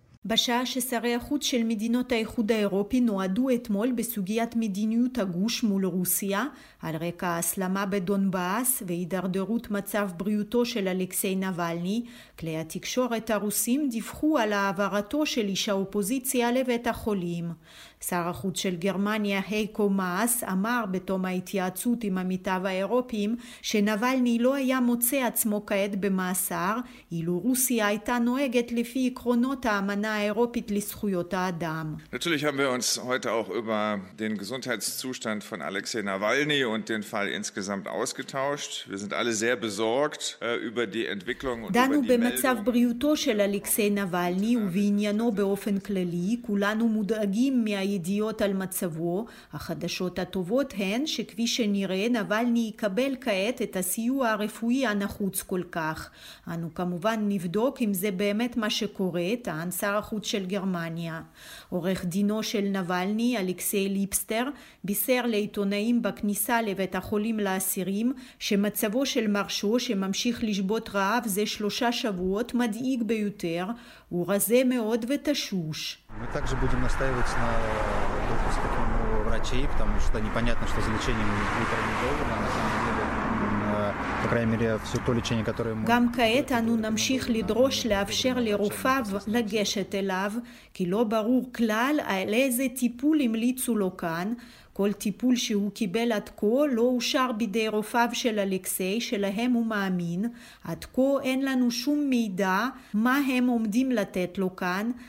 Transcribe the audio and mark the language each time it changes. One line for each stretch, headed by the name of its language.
Hebrew: בשעה ששרי החוץ של מדינות האיחוד האירופי נועדו אתמול בסוגיית מדיניות הגוש מול רוסיה, על רקע הסלמה בדונבאס והידרדרות מצב בריאותו של אלכסיי נבלני, כלי התקשורת הרוסים דיווחו על העברתו של איש האופוזיציה לבית החולים. שר החוץ של גרמניה, הייקו מאס, אמר בתום ההתייעצות עם עמיתיו האירופיים שנבלני לא היה מוצא עצמו כעת במאסר, אילו רוסיה הייתה נוהגת לפי עקרונות האמנה האירופית לזכויות האדם.
German: Natürlich haben wir uns heute auch über den Gesundheitszustand von Alexei Navalny und den Fall insgesamt ausgetauscht. Wir sind alle sehr besorgt über die Entwicklung und über die Meldung.
Hebrew: דנו במצב בריאותו של אלכסיי נבלני ובעניינו באופן כללי, כולנו מודאגים מה הידיעות על מצבו. החדשות הטובות הן שכפי שנראה, נבלני יקבל כעת את הסיוע הרפואי הנחוץ כל כך. אנו כמובן נבדוק אם זה באמת מה שקורה, טען שר החוץ של גרמניה. עורך דינו של נבלני, אלכסי ליפסטר, בישר לעיתונאים בכניסה לבית החולים לאסירים, שמצבו של מרשו, שממשיך לשבות רעב זה 3 שבועות, מדאיג ביותר, הוא רזה מאוד ותשוש.
Russian: Мы также будем настаивать на допуске к нему врачей, потому что непонятно, что за лечением он будет рекомендован. На самом деле, по крайней мере, все то лечение, которое мы...
Hebrew: גם כעת אנו נמשיך לדרוש לאפשר לרופאיו לגשת אליו, כי לא ברור כלל על איזה טיפול המליצו לו כאן. כל טיפול שהוא קיבל עד כה לא אושר בידי רופאיו של אלכסי, שלהם הוא מאמין. עד כה אין לנו שום מידע מה הם עומדים לתת לו כאן.